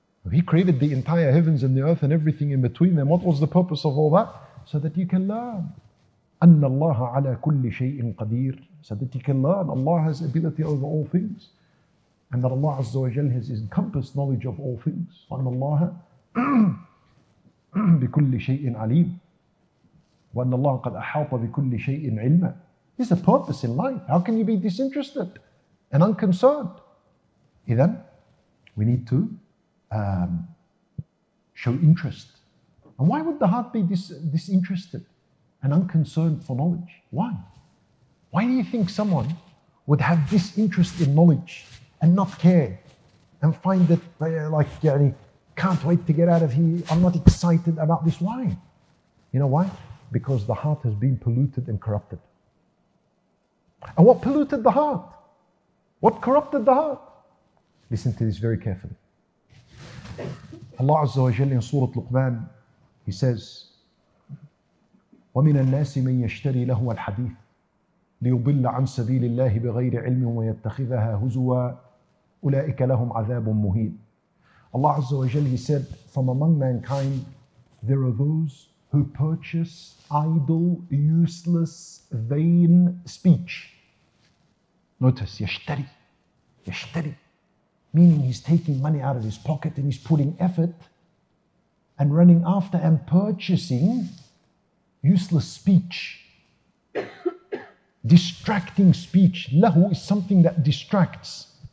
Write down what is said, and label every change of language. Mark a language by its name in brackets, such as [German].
[English] He created the entire heavens and the earth and everything in between them. What was the purpose of all that? So that you can learn. [Arabic] أن الله على كل شيء قدير. [English] So that you can learn. Allah has ability over all things. And that Allah Azza wa Jal has encompassed knowledge of all things. [Arabic] وأن الله بكل شيء عليم. وأن الله قد أحاط بكل شيء علما. [English] There's a purpose in life. How can you be disinterested and unconcerned? إذن, we need to show interest. And why would the heart be disinterested and unconcerned for knowledge? Why? Why do you think someone would have this interest in knowledge and not care and find that they are like, yani, can't wait to get out of here, I'm not excited about this? Why? You know why? Because the heart has been polluted and corrupted. And what polluted the heart? What corrupted the heart? Listen to this very carefully. Allah Azza wa Jalla in Surah Luqman, He says, [Arabic] وَمِنَ النَّاسِ مَنْ يَشْتَرِي لَهُوَ الْحَدِيثِ لِيُضِلَّ عَنْ سَبِيلِ اللَّهِ بِغَيْرِ عِلْمٍ وَيَتَّخِذَهَا هُزُوًا أُولَٰئِكَ لَهُمْ عَذَابٌ مُهِينٌ. [English] Allah Azza wa Jalla, He said, from among mankind, there are those who purchase idle, useless, vain speech. Notice, [Arabic] يَشْتَرِي, يَشْتَرِي. [English] Meaning he's taking money out of his pocket and he's putting effort and running after and purchasing useless speech. Distracting speech. Lahu is something that distracts.